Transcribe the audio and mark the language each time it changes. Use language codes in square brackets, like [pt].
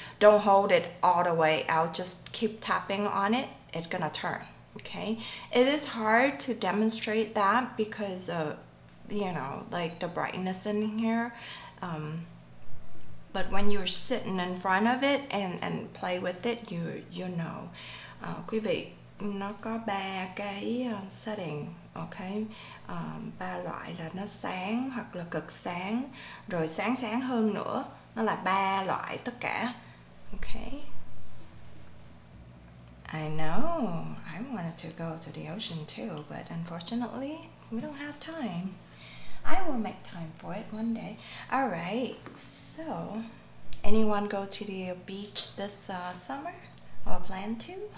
[en] Don't hold it all the way out, just keep tapping on it, it's gonna turn. Okay, it is hard to demonstrate that because of, you know, like the brightness in here, but when you're sitting in front of it and play with it, you know. [vi] Quý vị nó có ba cái setting. Okay, ba loại là nó sáng hoặc là cực sáng, rồi sáng sáng hơn nữa, nó là ba loại tất cả. [en] Okay. I know, I wanted to go to the ocean too, but unfortunately, we don't have time. I will make time for it one day. All right, so Anyone go to the beach this summer or plan to?